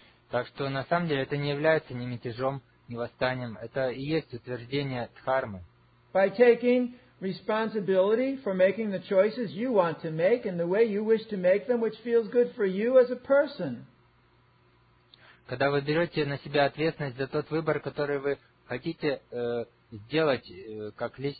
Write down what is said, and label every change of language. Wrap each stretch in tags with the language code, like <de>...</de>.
<ru>Так что на самом деле это не является ни мятежом, ни восстанием. Это и есть утверждение дхармы.</ru> <en>By taking responsibility for making the choices you want to make and the way you wish to make them, which feels good for you as a person.</en> <ru>Когда вы берете на себя ответственность за тот выбор, который вы хотите сделать как</ru>